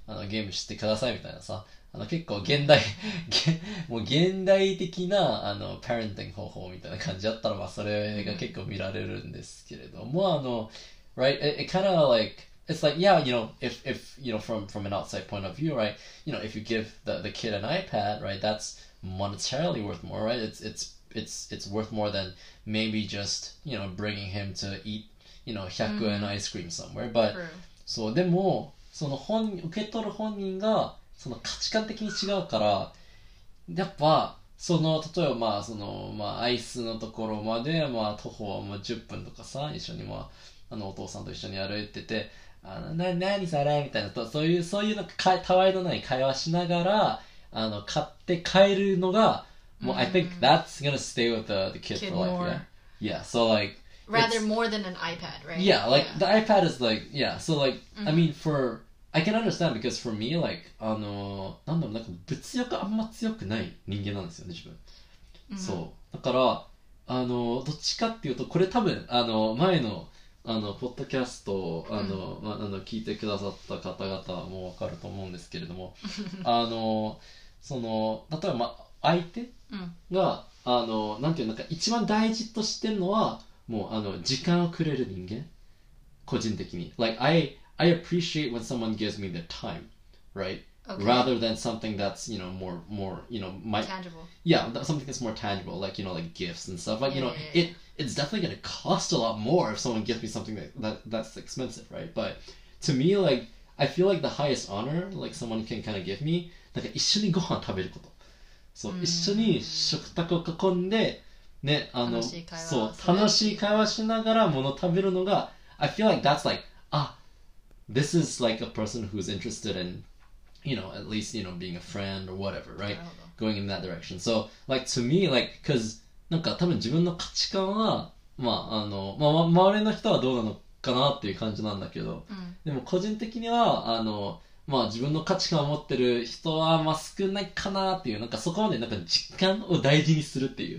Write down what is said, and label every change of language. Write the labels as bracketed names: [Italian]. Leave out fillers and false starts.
[Japanese] ゲームしてくださいみたいなさ、結構現代的なパレンティング方法みたいな感じだったら、まあそれが結構見られるんですけれども、 [English] right, it kind of likeIt's like, yeah, you know, if you know, from an outside point of view, right, you know, if you give the kid an iPad, right, that's monetarily worth more, right? It's worth more than maybe just, you know, bringing him to eat, you know, 100円 ice cream somewhere. [Japanese] But, so, でも、その本、受け取る本人が、その価値観的に違うから、やっぱ、その例えばまあ、その、まあ、アイスのところまで、まあ、徒歩はまあ10分とかさ、一緒にまあ、お父さんと一緒に歩いてて、何それみたいなと、そういうなんかたわいのない会話しながら、買って帰るのが、もう、 mm-hmm. [English] I think that's gonna stay with the kid, more. Yeah. Yeah, so like... Rather more than an iPad, right? Yeah, like, yeah. The iPad is like, yeah, so like,、 mm-hmm. I mean, for... I can understand because for me, like, [Japanese] なんだろう、なんか物欲あんま強くない人間なんですよね、自分。 Mm-hmm. そう。だから、どっちかっていうと、これ多分、前のポッドキャストを、 mm-hmm. まあ、聞いてくださった方々も分かると思うんですけれども、その例えば、ま、相手が、うん、なんていうのか、一番大事としてるのはもう時間をくれる人間、個人的に。 [English] Like, I appreciate when someone gives me their time, right? Okay. Rather than something that's, you know, more, you know, might, tangible. yeah, something that's more tangible, like, you know, like gifts and stuff. Like, you Yeah, know, yeah, yeah. it's definitely gonna cost a lot more if someone gives me something that's expensive, right? But to me, like, I feel like the highest honor, like, someone can kind of give me, like, [Japanese] 一緒にご飯食べること。そう、一緒に食卓を囲んで、ね、楽しい会話をそう、する楽っしいていう。会話しながら物食べるのが、 [English] I feel like that's like, this is like a person who's interested in, you know, at least, you know, being a friend or whatever, [Japanese] な [English] right? [Japanese] るほど。 [English] Going in that direction. [Japanese] So, like, to me, like, cause, なんか多分自分の価値観は、周りの人はどうなのかなっていう感じなんだけど、でも個人的には、自分の価値観を持ってる人は、少ないかなっていう、なんかそこまで、なんか実感を大事にするっていう、